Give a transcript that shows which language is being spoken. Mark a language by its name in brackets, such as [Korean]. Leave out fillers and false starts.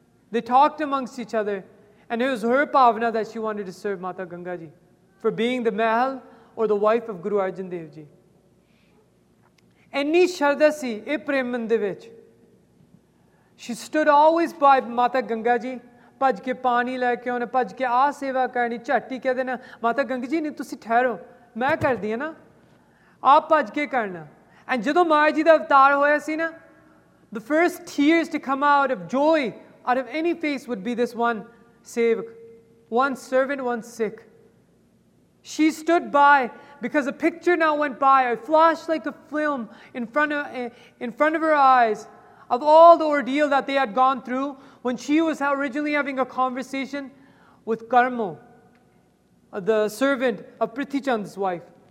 [English] They talked amongst each other, and it was her bhavna that she wanted to serve Mata Ganga Ji for being the mahal or the wife of Guru Arjan Dev Ji. [Punjabi] Enni sharda si e prem mande vich. [English] She stood always by Mata Ganga Ji. [Punjabi] ਭੱਜ ਕੇ ਪਾਣੀ ਲੈ ਕੇ ਆਉਣਾ, ਭੱਜ ਕੇ ਆਹ ਸੇਵਾ ਕਰਨੀ, ਝੱਟ ਹੀ ਕਹਿ ਦੇਣਾ ਮਾਤਾ ਗੰਗਾ ਜੀ ਨਹੀਂ ਤੁਸੀਂ ਠਹਿਰੋ ਮੈਂ ਕਰਦੀ ਹਾਂ ਨਾ, ਆਹ ਭੱਜ ਕੇ ਕਰਨਾ. [English] and [Punjabi] ਜਦੋਂ ਮਾਤਾ ਜੀ ਦਾ ਅਵਤਾਰ ਹੋਇਆ ਸੀ ਨਾ, [English] The first tears to come out of joy out of any face would be this one sevak, one servant, one Sikh. She stood by because a picture now went by, it flash like a film in front of her eyes of all the ordeal that they had gone through when she was originally having a conversation with Karmo, the servant of Prithvi Chand's wife.